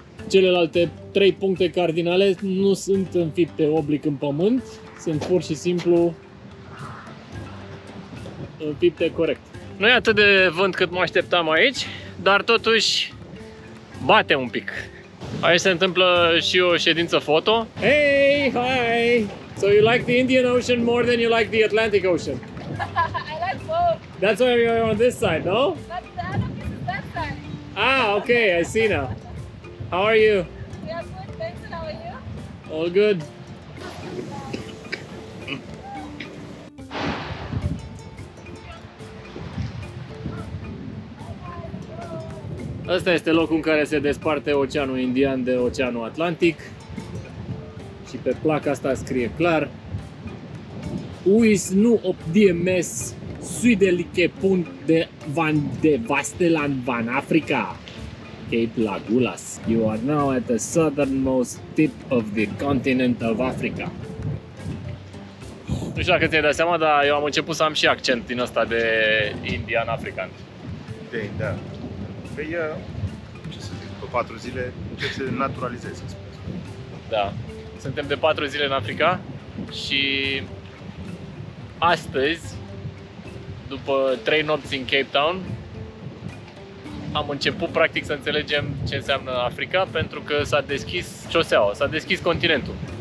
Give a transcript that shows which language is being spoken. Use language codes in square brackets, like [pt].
[ro] Celelalte trei puncte cardinale nu sunt înfipte oblic în pământ, sunt pur și simplu înfipte corect. Nu e atât de vânt cât mă așteptam aici, dar totuși bate un pic. Aici se întâmplă și o ședință foto. [en] Hey, hi! So you like the Indian Ocean more than you like the Atlantic Ocean? I like both. That's why we are on this side, no? That's the end of this side. Ah, okay, I see now. How are you? We are good, thanks, and how are you? All good. Yeah. [ro] Asta este locul în care se desparte Oceanul Indian de Oceanul Atlantic. Și pe placa asta scrie clar: Uis nu op DMS Suidelike punct de Van de Vasteland Van Africa, Cape Lagulas. [en] You are now at the southernmost tip of the continent of Africa. [ro] Nu știu dacă ți-ai dat seama, dar eu am început să am și accent din ăsta de indian african. De, da. Păi, ce să zic, pe 4 zile încep să naturalizez, să spun. Da. Suntem de 4 zile în Africa și astăzi, după 3 nopți în Cape Town, am început practic să înțelegem ce înseamnă Africa, pentru că s-a deschis șoseaua, s-a deschis continentul.